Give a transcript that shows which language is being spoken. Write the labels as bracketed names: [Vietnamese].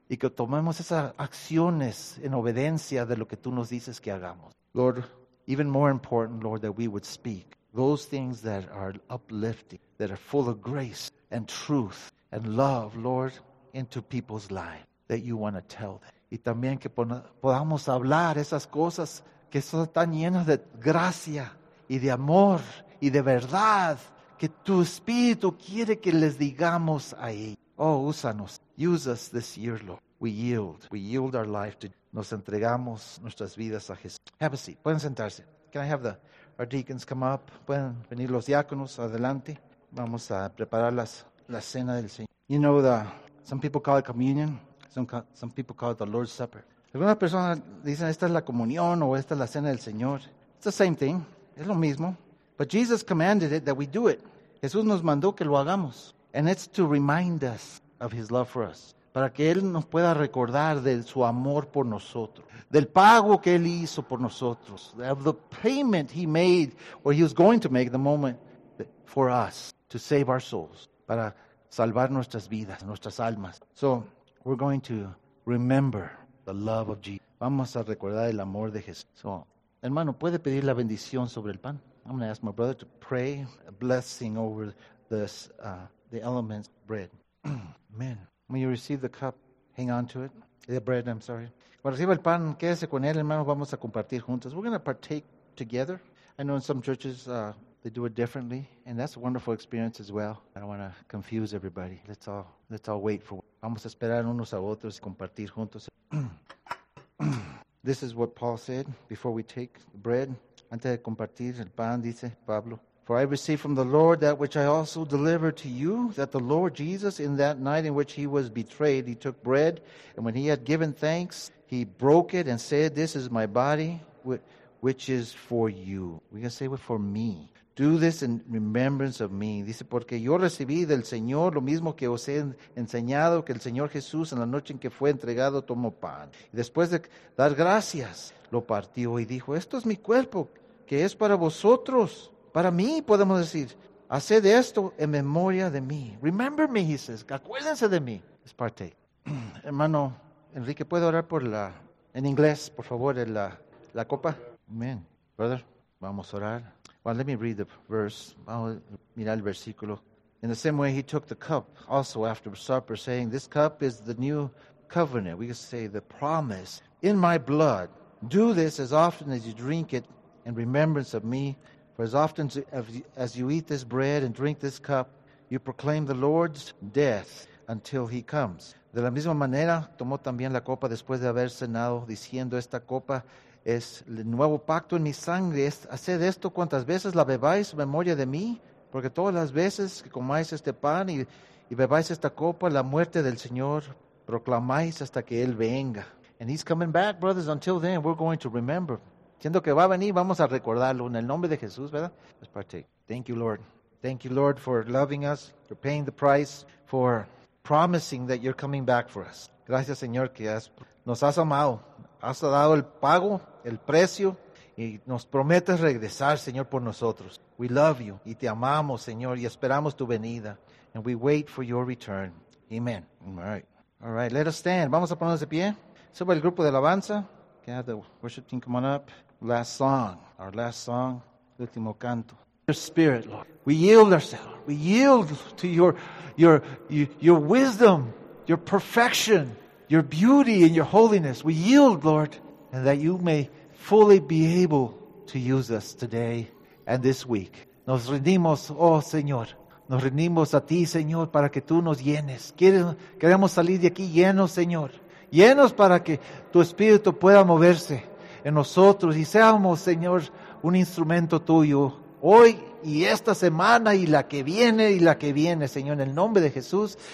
[Spanish] Y que tomemos esas acciones en obediencia de lo que tú nos dices que hagamos. [English] Lord, even more important, Lord, that we would speak those things that are uplifting, that are full of grace and truth and love, Lord, into people's lives that you want to tell them. [Spanish] Y también que podamos hablar esas cosas que son tan llenas de gracia y de amor y de verdad que tu espíritu quiere que les digamos ahí. [English] Oh, [Spanish] úsanos. [English] Use us this year, Lord. We yield. We yield our life to you. [Spanish] Nos entregamos nuestras vidas a Jesús. [English] Have a seat. [Spanish] Pueden sentarse. [English] Can I have our deacons come up? [Spanish] Pueden venir los diáconos adelante. Vamos a preparar la cena del Señor. [English] You know, some people call it communion. Some people call it the Lord's Supper. [Spanish] Algunas personas dicen, esta es la comunión o esta es la cena del Señor. [English] It's the same thing. [Spanish] Es lo mismo. [English] But Jesus commanded it that we do it. [Spanish] Jesús nos mandó que lo hagamos. [English] And it's to remind us of his love for us. [Spanish] Para que él nos pueda recordar de su amor por nosotros. Del pago que él hizo por nosotros. [English] Of the payment he made, or he was going to make the moment for us to save our souls. [Spanish] Para salvar nuestras vidas, nuestras almas. [English] So, we're going to remember the love of Jesus. [Spanish] Vamos a recordar el amor de Jesús. So, hermano, ¿puede pedir la bendición sobre el pan? [English] I'm going to ask my brother to pray a blessing over this, the elements of bread. Amen. When you receive the cup, hang on to it. The bread, I'm sorry. [Spanish] Cuando reciba el pan, quédese con él, hermano, vamos a compartir juntos. [English] We're going to partake together. I know in some churches, they do it differently, and that's a wonderful experience as well. I don't want to confuse everybody. Let's all wait for. [Spanish] Vamos a esperar unos a otros y compartir juntos. [English] This is what Paul said before we take the bread. [Spanish] Antes de compartir el pan, dice Pablo. [English] For I received from the Lord that which I also delivered to you, that the Lord Jesus, in that night in which he was betrayed, he took bread, and when he had given thanks, he broke it and said, "This is my body, which is for you." We can say it for me. Do this in remembrance of me. [Spanish] Dice, porque yo recibí del Señor lo mismo que os he enseñado, que el Señor Jesús en la noche en que fue entregado tomó pan. Y después de dar gracias, lo partió y dijo, esto es mi cuerpo, que es para vosotros, para mí, podemos decir. Haced esto en memoria de mí. [English] Remember me, he says. [Spanish] Acuérdense de mí. Es parte. Hermano Enrique, ¿puedo orar por la, en inglés, por favor, en la copa? Amen. Brother, vamos a orar. [English] Well, let me read the verse. [Spanish] Vamos a mirar el versículo. [English] In the same way, he took the cup also after supper, saying, this cup is the new covenant. We can say the promise in my blood. Do this as often as you drink it in remembrance of me. For as often as you eat this bread and drink this cup, you proclaim the Lord's death until he comes. [Spanish] De la misma manera, tomó también la copa después de haber cenado, diciendo, esta copa es el nuevo pacto en mi sangre. Haced esto cuantas veces la bebáis, memoria de mí. Porque todas las veces que comáis este pan y bebáis esta copa, la muerte del Señor proclamáis hasta que Él venga. [English] And he's coming back, brothers. Until then, we're going to remember. [Spanish] Siendo que va a venir, vamos a recordarlo en el nombre de Jesús, ¿verdad? [English] Let's partake. Thank you, Lord. Thank you, Lord, for loving us, for paying the price, for promising that you're coming back for us. [Spanish] Gracias, Señor, que nos has amado. Has dado el pago, el precio, y nos prometes regresar, Señor, por nosotros. [English] We love you. [Spanish] Y te amamos, Señor, y esperamos tu venida. [English] And we wait for your return. Amen. All right, let us stand. [Spanish] Vamos a ponernos de pie. Sube el grupo de alabanza. [English] Can I have the worship team come on up? Our last song. [Spanish] Último canto. [English] Your spirit, Lord. We yield ourselves. We yield to your wisdom, your perfection, your beauty and your holiness. We yield, Lord, and that you may fully be able to use us today and this week. [Spanish] Nos rendimos, oh Señor. Nos rendimos a ti, Señor, para que tú nos llenes. Queremos salir de aquí llenos, Señor. Llenos para que tu espíritu pueda moverse en nosotros y seamos, Señor, un instrumento tuyo hoy y esta semana y la que viene y la que viene, Señor, en el nombre de Jesús.